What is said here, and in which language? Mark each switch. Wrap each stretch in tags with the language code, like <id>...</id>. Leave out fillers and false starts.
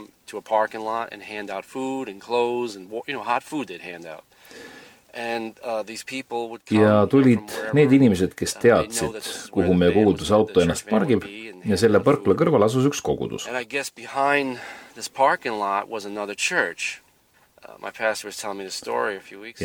<en>To a parking lot and hand out food and clothes and, you know, hot food they'd hand out. And these people would come.</en> <et>Ja tulid need inimesed, kes teadsid, kuhu meie kogudus auto ennast pargib, ja selle parkla kõrval asus üks kogudus.</et> <en>And I guess behind this parking lot was another church. My pastor was telling me the story a few weeks ago.</en>